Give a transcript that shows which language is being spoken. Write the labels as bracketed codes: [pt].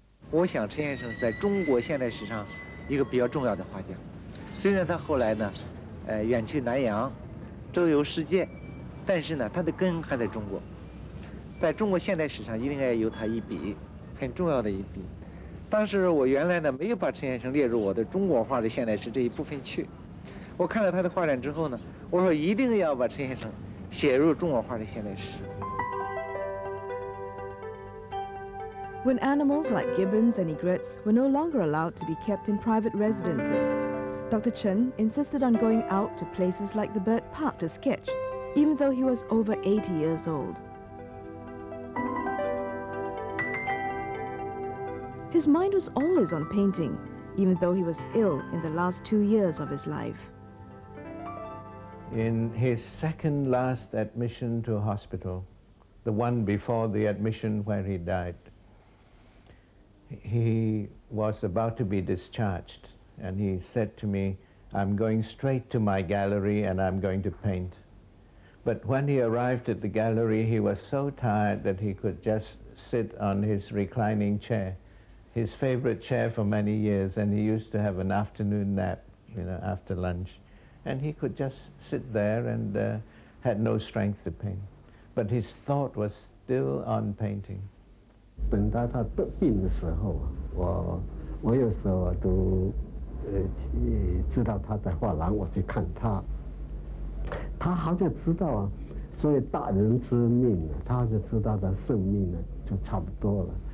[zh] 我想陈先生在中国现代史上一个比较重要的画家，虽然他后来呢，远去南洋，周游世界，但是呢，他的根还在中国，在中国现代史上一定要有他一笔，很重要的一笔。当时我原来呢没有把陈先生列入我的中国画的现代史这一部分去，我看了他的画展之后呢，我说一定要把陈先生写入中国画的现代史。 [en] When animals like gibbons and egrets were no longer allowed to be kept in private residences, Dr. Chen insisted on going out to places like the bird park to sketch, even though he was over 80 years old. His mind was always on painting, even though he was ill in the last 2 years of his life. In his second last admission to a hospital, the one before the admission where he died,he was about to be discharged, and he said to me, I'm going straight to my gallery and I'm going to paint. But when he arrived at the gallery, he was so tired that he could just sit on his reclining chair, his favorite chair for many years, and he used to have an afternoon nap, you know, after lunch. And he could just sit there and had no strength to paint. But his thought was still on painting. [zh] 等到他得病的时候，我有时候都知道他在画廊，我去看他。他好像知道，所以大人之命，他就知道他生命呢就差不多了。